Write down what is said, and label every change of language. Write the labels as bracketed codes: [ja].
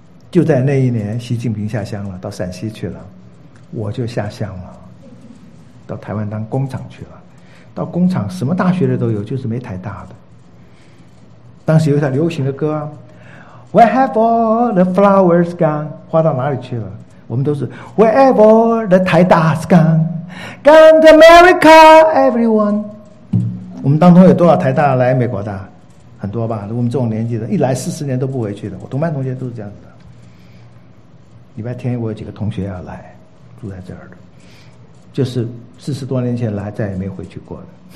[zh] 就在那一年，习近平下乡了，到陕西去了，我就下乡了，到台湾当工厂去了。到工厂什么大学的都有，就是没台大的。当时有一条流行的歌啊， [en] Where have all the flowers gone， [zh] 花到哪里去了？我们都是 [en] Wherever the 台大 's gone， gone to America everyone。 [zh] 我们当中有多少台大来美国的？很多吧，我们这种年纪的一来40年都不回去的，我同班同学都是这样子的。礼拜天我有几个同学要来，住在这儿的，就是40多年前来，再也没回去过的。